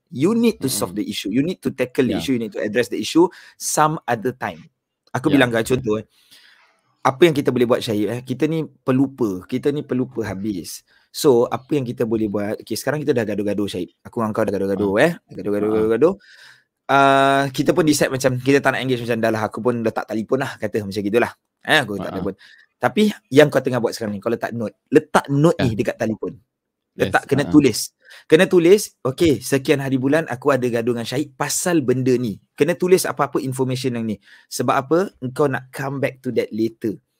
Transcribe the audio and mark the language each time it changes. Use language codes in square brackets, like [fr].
[en] You need to solve the issue. You need to tackle the issue. You need to address the issue some other time. [ms] Aku bilang kau contoh. Apa yang kita boleh buat Syahid? Kita ni pelupa. Kita ni pelupa habis. So apa yang kita boleh buat? Okay, sekarang kita dah gaduh-gaduh Syahid. Aku dengan kau dah gaduh-gaduh. Kita pun decide macam kita tak nak engage, macam dah lah aku pun letak telefon lah, kata macam gitulah. Aku letak telefon. Tapi yang kau tengah buat sekarang ni, kau letak note ni dekat telefon. Tulis. Kena tulis, okay, sekian hari bulan aku ada gaduh dengan Syahid pasal benda ni. Kena tulis apa-apa information yang ni. Sebab apa? Kau nak [en] come back to that later.